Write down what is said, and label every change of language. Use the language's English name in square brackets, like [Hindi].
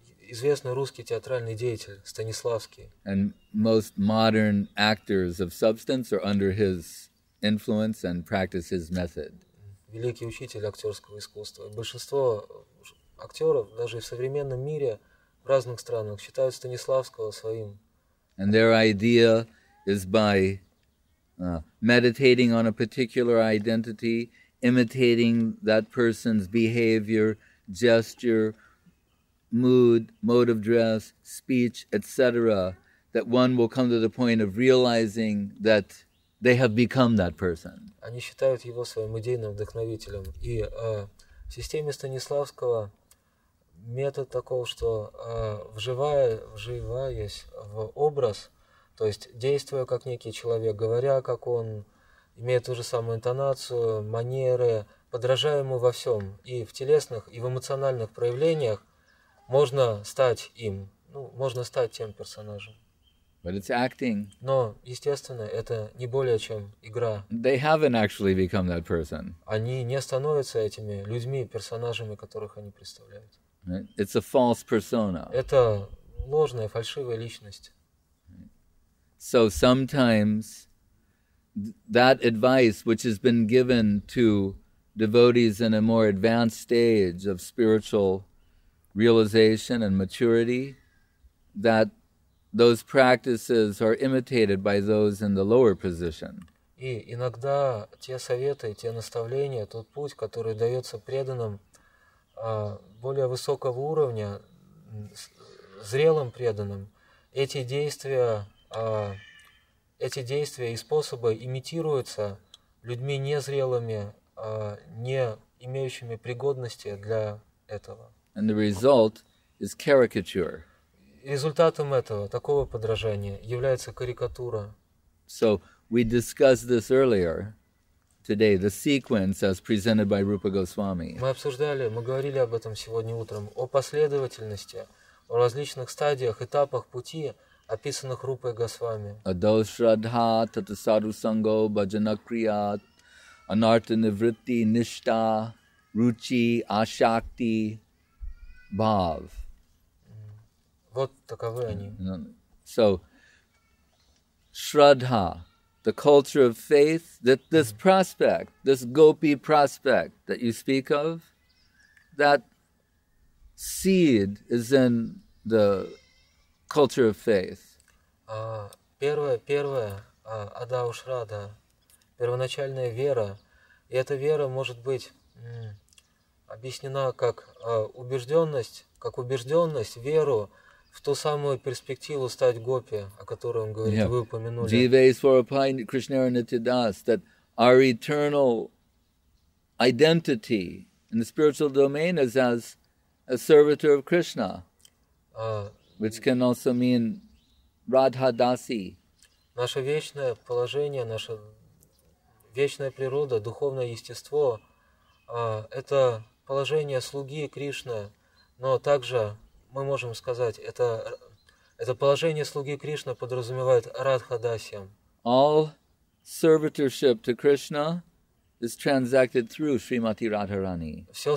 [Russian] Известный русский театральный деятель Станиславский. [English] And most modern actors of substance are under his influence and practice his method. [Russian] Великий учитель актерского искусства. Большинство актеров, даже в современном мире, в разных странах, считают Станиславского своим. [English] And their idea is by meditating on a particular identity, imitating that person's behavior, gesture, mood, mode of dress, speech, etc., that one will come to the point of realizing that they have become that person. [Russian] Они считают его своим идейным вдохновителем. И в системе Станиславского метод такой, что вживаясь в образ, то есть действуя как некий человек, говоря как он, имея ту же самую интонацию, манеры, подражая ему во всем, и в телесных, и в эмоциональных проявлениях, можно стать им, можно стать тем персонажем. [English] But it's acting. [Russian] Но, естественно, это не более чем игра. [English] They haven't actually become that person. [Russian] Они не становятся этими людьми, персонажами, которых они представляют. [English] Right? It's a false persona. [Russian] Это ложная, фальшивая личность. [English] Right. So sometimes that advice, which has been given to devotees in a more advanced stage of spiritual realization and maturity, that those practices are imitated by those in the lower position. [Russian] И иногда те советы, те наставления, тот путь, который дается преданным более высокого уровня, зрелым преданным, эти действия и способы имитируются людьми незрелыми, не имеющими пригодности для этого. [English] And the result is caricature. [Russian] Результатом этого, такого подражания, является карикатура. [English] So we discussed this earlier today, the sequence as presented by Rupa Goswami. [Russian] Мы обсуждали, мы говорили об этом сегодня утром, о последовательности, о различных стадиях, этапах пути, описанных Рупой Госвами. [Sanskrit] Адошрадха, татасаду санго, баджанакрия, анарта нивритти, ништа, ручи, ашакти, бхав. [Russian] Вот таковы они. [English] So, Shraddha, the culture of faith, that this prospect, this gopi prospect that you speak of, that seed is in the culture of faith. [Russian] Первое, Адау Шрада, первоначальная вера, и эта вера может быть объяснена как убежденность, веру, в ту самую перспективу стать гопи, о которой он говорит, вы упомянули. [Sanskrit] Jivesvarupai Krishnaranityadas, [English] that our eternal identity in the spiritual domain is as a servitor of Krishna, which can also mean Radha-dasi. [Russian] Наше вечное положение, наша вечная природа, духовное естество, это положение слуги Кришны, но также мы можем сказать, это положение слуги Кришны подразумевает Радха-дасьям. [English] All servitorship to Krishna is transacted through Srimati Radharani.